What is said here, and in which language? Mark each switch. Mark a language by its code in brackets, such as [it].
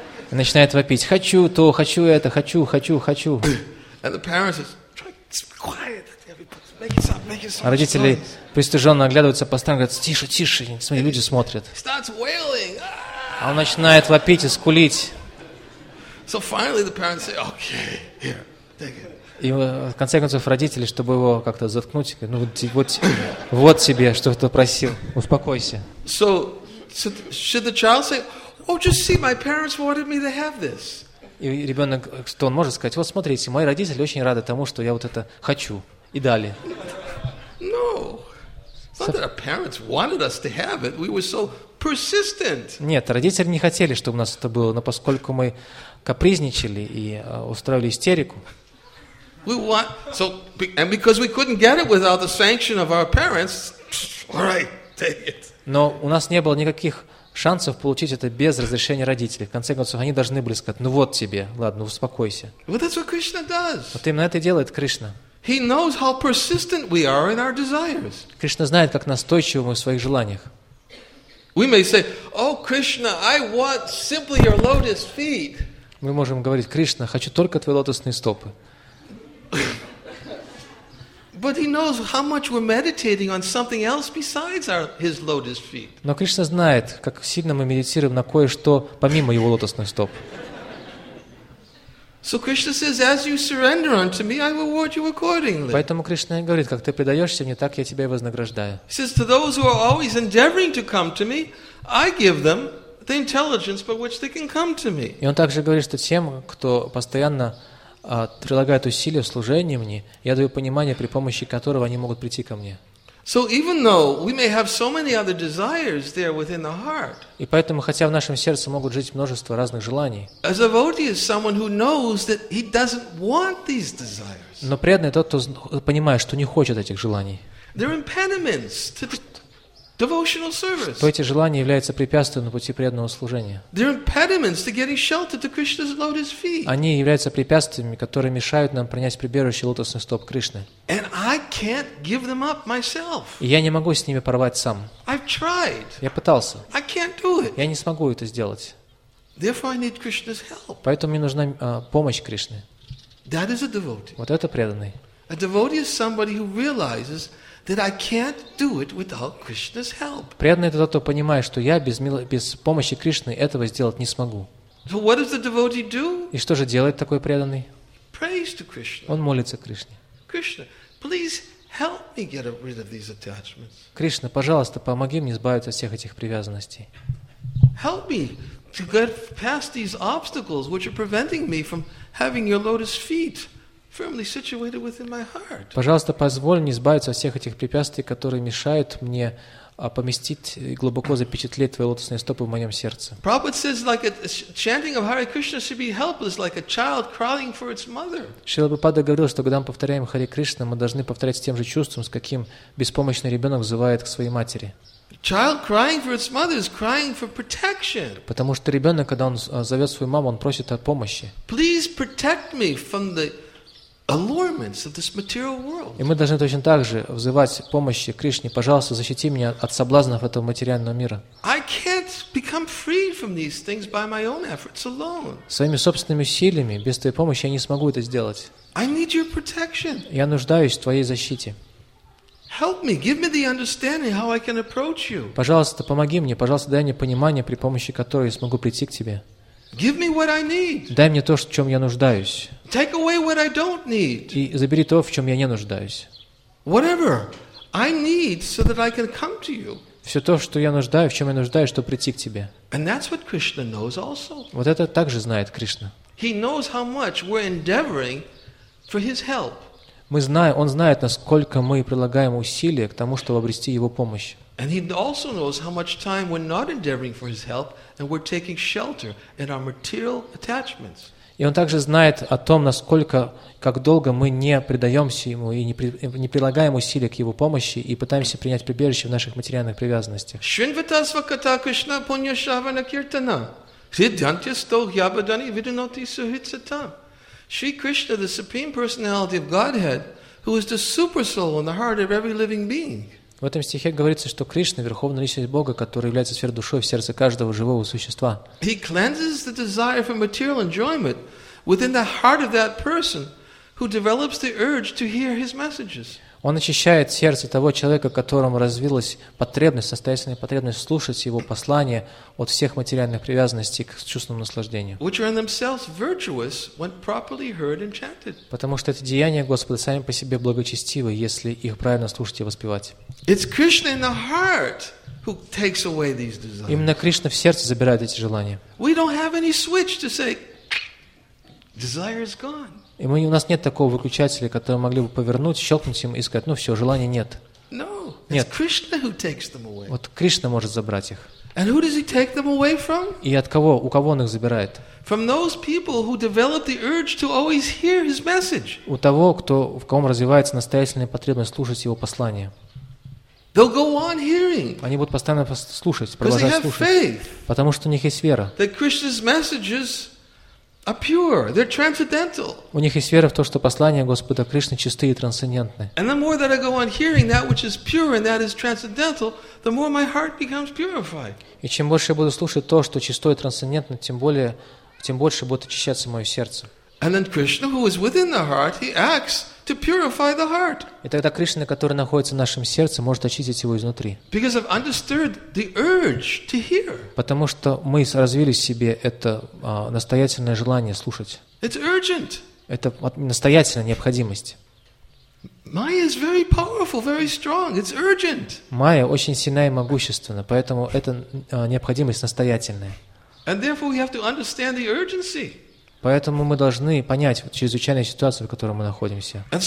[ru] И начинает вопить, хочу то, хочу это, хочу. [en] And the parents is trying to be quiet. Make it stop. [ru] А родители пристыженно оглядываются по сторонам, говорят, тише, смотри, люди смотрят. [en] Starts wailing. [ru] А он начинает вопить и скулить. [en] So finally the parents say, okay, here. [ru] И в конце концов родители, чтобы его как-то заткнуть, ну вот тебе, что ты просил, успокойся. [en] So should the child say, "Oh, just see, my parents wanted me to have this"? [ru] И ребенок, что он может сказать? Вот смотрите, мои родители очень рады тому, что я вот это хочу и дали. [en] No, it's not that our parents wanted us to have it. We were so persistent. [ru] Нет, родители не хотели, чтобы у нас это было, но поскольку мы капризничали и устраивали истерику. [en] And because we couldn't get it without the sanction of our parents, all right, take it. [ru] Но у нас не было никаких шансов получить это без разрешения родителей. В конце концов, они должны были сказать: "Ну вот тебе, ладно, успокойся". [en] Well, that's what Krishna does. [ru] Вот именно это делает Кришна. [en] He knows how persistent we are in our desires. [ru] Кришна знает, как настойчивы мы в своих желаниях. [en] We may say, "Oh, Krishna, I want simply your lotus feet." [ru] Мы можем говорить: "Кришна, хочу только твои лотосные стопы". [en] But he knows how much we're meditating on something else besides his lotus feet. [ru] Но Кришна знает, как сильно мы медитируем на кое-что помимо его лотосных стоп. [en] So Krishna says, as you surrender unto me, I reward you accordingly. [ru] Поэтому Кришна говорит, как ты предаешься мне, так я тебя и вознаграждаю. [en] He says, to those who are always endeavoring to come to me, I give them the intelligence by which they can come to me. [ru] И он также говорит, что тем, кто постоянно прилагает усилия в служении мне, я даю понимание, при помощи которого они могут прийти ко мне. [en] So even though we may have so many other desires there within the heart. [ru] И поэтому, хотя в нашем сердце могут жить множество разных желаний. [en] A devotee is someone who knows that he doesn't want these desires. [ru] Но преданный тот, кто понимает, что не хочет этих желаний. [en] They're impediments to devotional service. [ru] То эти желания являются препятствием на пути преданного служения. [en] They're impediments to getting shelter to Krishna's lotus feet. [ru] Они являются препятствиями, которые мешают нам принять прибежище лотосных стоп Кришны. [en] And I can't give them up myself. [ru] И я не могу с ними порвать сам. [en] I've tried. [ru] Я пытался. [en] I can't do it. [ru] Я не смогу это сделать. [en] Therefore I need Krishna's help. [ru] Поэтому мне нужна помощь Кришны. [en] That is a devotee. [ru] Вот это преданный. [en] A devotee is somebody who realizes that I can't do it without Krishna's help. [ru] Преданный это тот, кто понимает, что я без помощи Кришны этого сделать не смогу. [en] So what does the devotee do? [ru] И что же делает такой преданный? [en] Prays to Krishna. [ru] Он молится Кришне. [en] Krishna, please help me get rid of these attachments. [ru] Кришна, пожалуйста, помоги мне избавиться от всех этих привязанностей. [en] Help me to get past these obstacles which are preventing me from having your lotus feet firmly situated within my heart. [ru] Пожалуйста, позволь мне избавиться от всех этих препятствий, которые мешают мне поместить и глубоко запечатлеть твои лотосные стопы в моем сердце. [en] Prabhupada says, like a chanting of Hare Krishna should be helpless, like a child crying for its mother. [ru] Шрила Прабхупада говорил, что когда мы повторяем Харе Кришна, мы должны повторять с тем же чувством, с каким беспомощный ребенок взывает к своей матери. [en] Child crying for its mother is crying for protection. [ru] Потому что ребенок, когда он зовет свою маму, он просит о помощи. [en] Please protect me from the allurements of this material world. [ru] И мы должны точно так же взывать помощи Кришне, пожалуйста, защити меня от соблазнов этого материального мира. [en] I can't become free from these things by my own efforts alone. [ru] Своими собственными усилиями, без твоей помощи, я не смогу это сделать. [en] I need your protection. [ru] Я нуждаюсь в твоей защите. [en] Help me, give me the understanding how I can approach you. [ru] Пожалуйста, помоги мне, пожалуйста, дай мне понимание, при помощи которого я смогу прийти к тебе. [en] Give me what I need. [ru] Дай мне то, в чем я нуждаюсь. [en] Take away what I don't need. [ru] И забери то, в чем я не нуждаюсь. [en] Whatever I need so that I can come to you. [ru] Все то, что я нуждаюсь, в чем я нуждаюсь, чтобы прийти к тебе. [en] And that's what Krishna knows also. [ru] Вот это также знает Кришна. [en] He knows how much we're endeavoring for his help. [ru] Мы знаем, он знает, насколько мы прилагаем усилия к тому, чтобы обрести его помощь. [en] And he also knows how much time we're not endeavoring for his help, and we're taking shelter in our material attachments. [ru] И он также знает о том, насколько, как долго мы не предаемся ему и не прилагаем усилий к его помощи и пытаемся принять прибежище в наших материальных привязанностях. [sa] Шринватасваката Кришна Пуньяшавана Киртана. Хридянти стох ябадани видиноти сухицата. [en] Шри Кришна, the Supreme Personality of Godhead, who is the super soul in the heart of every living being. [ru] В этом стихе говорится, что Кришна – Верховная Личность Бога, который является сверхдушой в сердце каждого живого существа. [en] He cleanses the desire for material enjoyment within the heart of that person who develops the urge to hear his messages. [ru] Он очищает сердце того человека, которому развилась потребность, настоятельная потребность слушать его послания от всех материальных привязанностей к чувственному наслаждению. [en] Which are in themselves virtuous when properly heard and chanted. [ru] Потому что эти деяния Господа сами по себе благочестивы, если их правильно слушать и воспевать. [en] It's Krishna in the heart who takes away these desires. [ru] Именно Кришна в сердце забирает эти желания. [en] We don't have any switch to say, desire is gone. [ru] И у нас нет такого выключателя, который могли бы повернуть, щелкнуть им и сказать, ну все, желания нет. [en] No, [ru] нет. [en] Krishna who takes them away. [ru] Вот Кришна может забрать их. [en] And who does he take them away from? [ru] И от кого, у кого он их забирает? [en] From those people who develop the urge to always hear his message. [ru] У того, кто, в ком развивается настоятельная потребность слушать его послание. [en] They'll go on hearing. [ru] Они будут постоянно слушать, продолжать слушать. Потому что у них есть вера. [en] That Krishna's messages are pure, they're transcendental. [ru] У них есть вера в то, что послания Господа Кришны чисты и трансцендентны. [en] And the more that I go on hearing that which is pure and that is transcendental, the more my heart becomes purified. [ru] И чем больше я буду слушать то, что чисто и трансцендентно, тем больше будет очищаться мое сердце. [en] And then Krishna, who is within the heart, he acts to purify the heart. [ru] И тогда Кришна, который находится в нашем сердце, может очистить его изнутри. [en] Because I've understood the urge to hear. [ru] Потому что мы развили в себе это настоятельное желание слушать. [en] It's urgent. [ru] Это настоятельная необходимость. [en] Майя is very powerful, very strong. It's urgent. [ru] Майя очень сильна и могущественна, поэтому это необходимость настоятельная. [en] And therefore we have to understand the urgency. [ru] Поэтому мы должны понять чрезвычайную ситуацию, в которой мы находимся.